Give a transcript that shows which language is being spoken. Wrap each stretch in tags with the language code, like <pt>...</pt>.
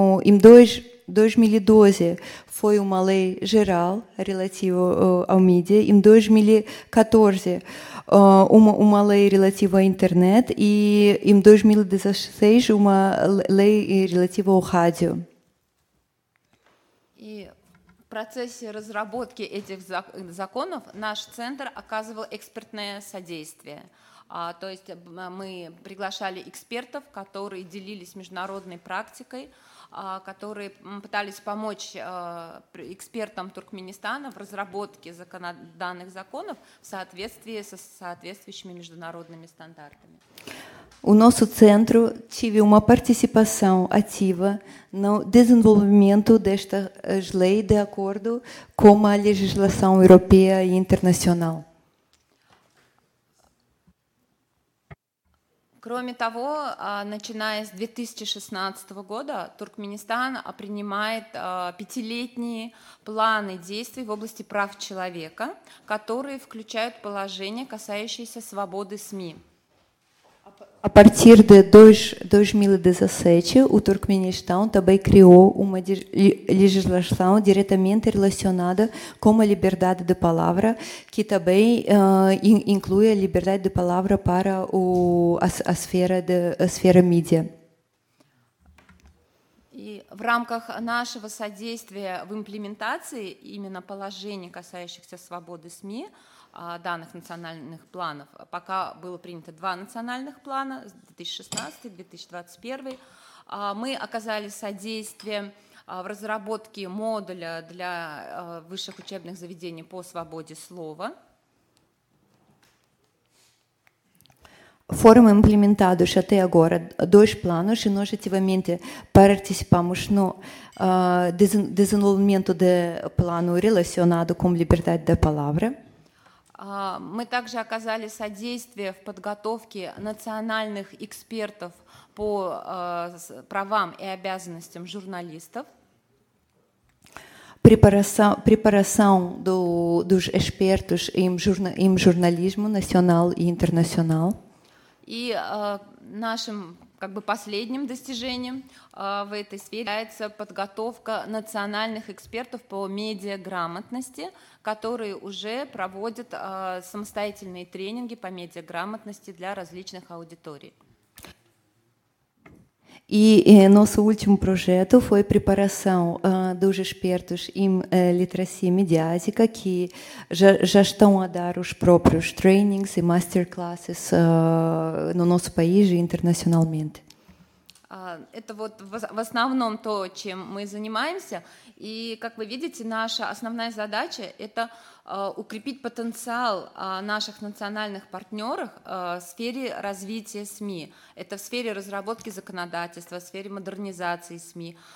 <pt>Em 2012 foi uma lei geral relativa ao mídia. Em 2014 uma lei relativa à internet. E em 2016 uma lei relativa ao rádio.</pt> <ru>В процессе разработки этих законов наш центр оказывал экспертное содействие. То есть мы приглашали экспертов, которые делились международной практикой, которые пытались помочь экспертам Туркменистана в разработке данных законов в соответствии со соответствующими международными стандартами.</ru> <pt>O nosso centro teve uma participação ativa no desenvolvimento destas leis de acordo com a legislação europeia e internacional.</pt> <ru>Кроме того, начиная с 2016 года, Туркменистан принимает пятилетние планы действий в области прав человека, которые включают положения, касающиеся свободы СМИ.</ru> <pt>A partir de 2017, o Turkmenistão também criou uma legislação diretamente relacionada com a liberdade de palavra, que também inclui a liberdade de palavra para a esfera mídia.</pt> <ru>И в рамках нашего содействия в имплементации именно положений, касающихся свободы СМИ, данных национальных планов. Пока было принято два национальных плана, 2016 и 2021. Мы оказали содействие в разработке модуля для высших учебных заведений по свободе слова.</ru> <pt>Foram implementados até agora dois planos e nós ativamente participamos no desenvolvimento do plano relacionado com liberdade da palavra.</pt> <ru>Мы также оказали содействие в подготовке национальных экспертов по правам и обязанностям журналистов.</ru> <pt>Preparação dos expertos em jornalismo nacional e internacional.</pt> <ru>И нашим как бы последним достижением в этой сфере является подготовка национальных экспертов по медиаграмотности, которые уже проводят самостоятельные тренинги по медиаграмотности для различных аудиторий.</ru> <pt>И nosso último projeto foi preparação dos expertos em literacia mediática, que já estão a dar os próprios trainings e masterclasses no nosso país e internacionalmente.</pt> <ru>Это вот в основном то, чем мы занимаемся. И, как вы видите, наша основная задача – это укрепить потенциал наших национальных партнеров в сфере развития СМИ. Это в сфере разработки законодательства, в сфере модернизации СМИ.</ru>